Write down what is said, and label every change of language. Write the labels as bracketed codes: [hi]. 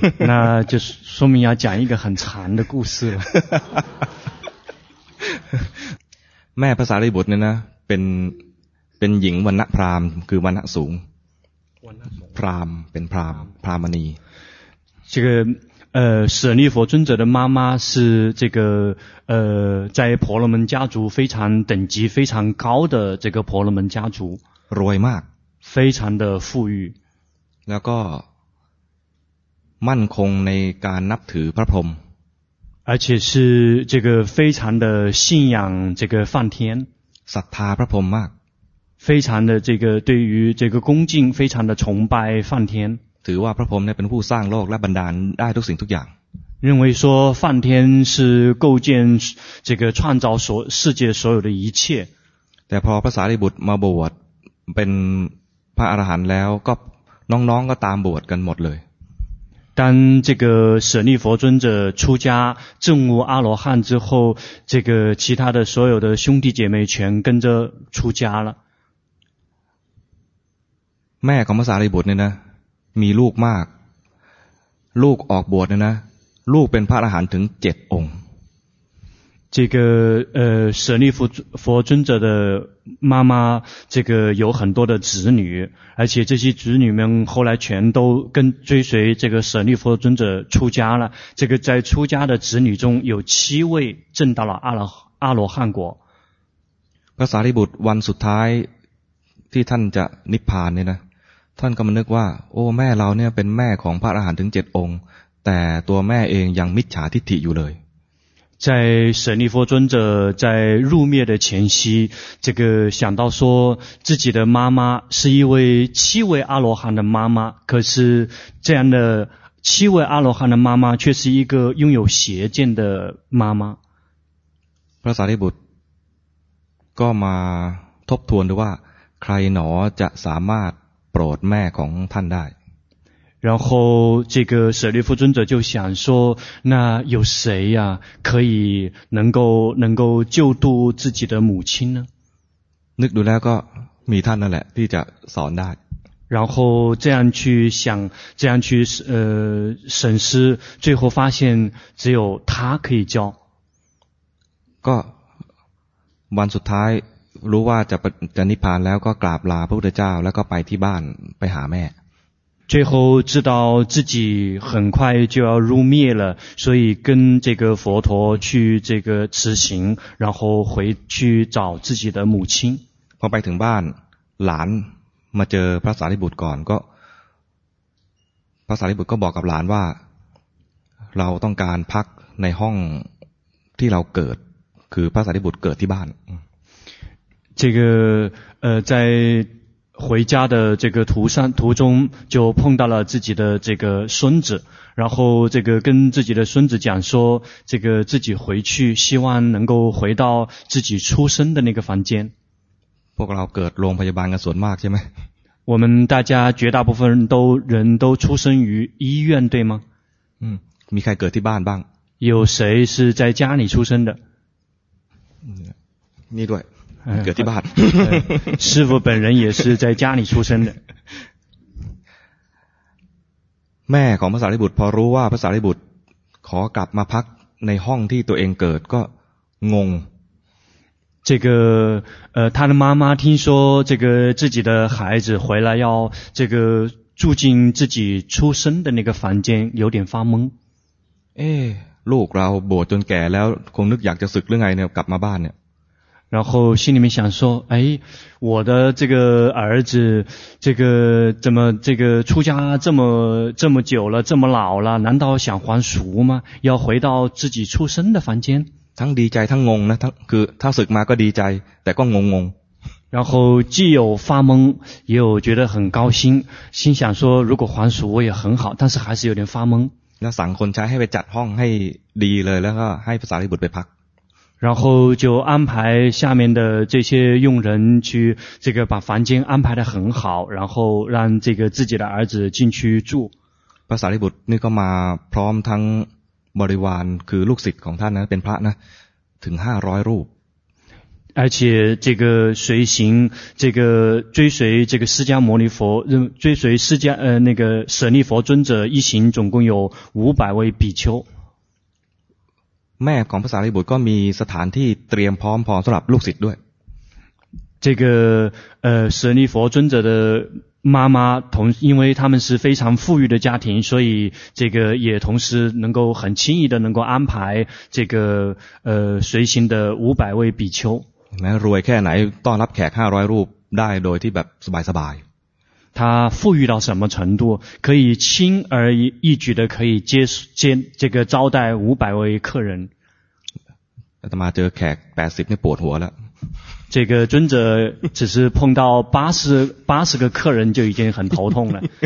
[zh] 那就说明要讲一个很长的故事了 [th] แม่พระสารีบุตรเนี่ยนะเป็นหญิงวรรณะพราหมณ์คือวรรณะสูงพราหมณ์เป็นพราหมณ์พราหมณี [zh] 这个舍利弗尊者的妈妈是这个在婆罗门家族非常等级非常高的这个婆罗门家族， [th] รวยมาก， [zh] 非常的富裕， [th] แล้วก็มั่นคงในการนับถือพระพรหม， [zh] 而且是这个非常的信仰这个梵天， [th] ศรัทธาพระพรหมมาก， [zh] 非常的这个对于这个恭敬，非常的崇拜梵天。 [th] ถือว่าพระพรหมเนี่ยเป็นผู้สร้างโลกและบันดาลได้ทุกสิ่งทุกอย่าง [zh] 认为说梵天是构建这个创造所世界所有的一切 [th] แต่พอพระสารีบุตรมาบวชเป็นพระอรหันต์แล้วก็น้องๆก็ตามบวชกันหมดเลย [zh] 当这个舍利弗尊者出家证悟阿罗汉之后这个其他的所有的兄弟姐妹全跟着出家了 [th] แม่ของพระสารีบุตรเนี่ยนะมีลูกมากลูกออกบวชเนี่ยนะลูกเป็นพระอรหันต์ถึง7องค์ [zh] 这个舍利弗佛尊者的妈妈这个有很多的子女而且这些子女们后来全都跟追随这个舍利弗尊者出家了这个在出家的子女中有七位证到了阿罗汉果 [th] พระสารีบุตรวันสุดท้ายที่ท่านจะนิพพานเนี่ยนะท่านก็มานึกว่าโอ้แม่เราเนี่ยเป็นแม่ของพระอรหันต์ถึง7องค์แต่ตัวแม่เองยังมิจฉาทิฏฐิอยู่เลย [zh] 在舍利弗尊者在入灭的前夕这个想到说自己的妈妈是一位七位阿罗汉的妈妈可是这样的七位阿罗汉的妈妈却是一个拥有邪见的妈妈 [th] พระสารีบุตรก็มาทบทวนดูว่าใครหนอจะสามารถโปรดแม่ของท่านได้ [zh] 然后这个舍利弗尊者就想说那有谁呀、啊、可以能够救度自己的母亲呢 [th] นึกดูแล้วก็มีท่านนั่นแหละที่จะสอนได้ [zh] 然后这样去想这样去审视最后发现只有他可以教 [th] ก็วันสุดท้ายรู้ว่าจะนิพพานแล้วก็กราบลาพระพุทธเจ้าแล้วก็ไปที่บ้านไปหาแม่ [zh] 最后知道自己很快就要入灭了所以跟这个佛陀去这个辞行然后回去找自己的母亲 [th] พอไปถึงบ้านหลานมาเจอพระสารีบุตรก่อนก็พระสารีบุตรก็บอกกับหลานว่าเราต้องการพักในห้องที่เราเกิดคือพระสารีบุตรเกิดที่บ้าน [zh] 这个在回家的这个途中就碰到了自己的这个孙子然后这个跟自己的孙子讲说这个自己回去希望能够回到自己出生的那个房间 [th] พวกเราเกิดโรงพยาบาลกันส่วนมากใช่ไหม [zh] 我们大家绝大部分人都出生于医院对吗 [th] มีใครเกิดที่บ้านบ้าง [zh] 有谁是在家里出生的 [th] นี่ด้วยเกิดที่บ้าน [zh] 师父本人也是在家里出生的 [th] แม่ของพระสารีบุตรพอรู้ว่าพระสารีบุตรขอกลับมาพักในห้องที่ตัวเองเกิดก็งง [zh] 这个他的妈妈听说这个自己的孩子回来要这个住进自己出生的那个房间有点发懵 [th] ลูกเราบวชจนแก่แล้วคงนึกอยากจะสึกเรื่องไงเนี่ยกลับมาบ้านเนี่ย [zh] 然后心里面想说哎我的这个儿子这个怎么这个出家这么久了这么老了难道想还俗吗要回到自己出生的房间 [th] ทั้งดีใจทั้งงงนะถ้าศึกมาก็ดีใจแต่ก็งงง [zh] 然后既有发懵也有觉得很高兴心想说如果还俗我也很好但是还是有点发懵 [th] 那สั่งคนใช้ให้ไปจัดห้องให้ดีเลยแล้วก็ให้พระสารีบุตรไปพัก [zh] 然后就安排下面的这些佣人去这个把房间安排得很好然后让这个自己的儿子进去住 [th] พระสารีบุตรนี่ก็มาพร้อมทั้งบริวารคือลูกศิษย์ของท่านนะเป็นพระนะถึง500รูป [zh] 而且这个随行这个追随这个释迦牟尼佛追随释迦那个舍利弗尊者一行总共有500位比丘 [th] แม่ของพระสารีบุตรก็มีสถานที่เตรียมพร้อมพอสำหรับลูกศิษย์ด้วย [zh] 这个舍利弗尊者的妈妈同因为他们是非常富裕的家庭，所以这个也同时能够很轻易的能够安排这个随行的五百位比丘。 [th] 那รวยแค่ไหนต้อนรับแขก500รูปได้โดยที่แบบสบาย [zh] ๆ。他富裕到什么程度，可以轻而易举的可以接这个招待五百位客人。 [th] แต่มาเจอแขก80นี่ปวดหัวแล้ว。 [zh] 这个尊者只是碰到八十个客人就已经很头痛了。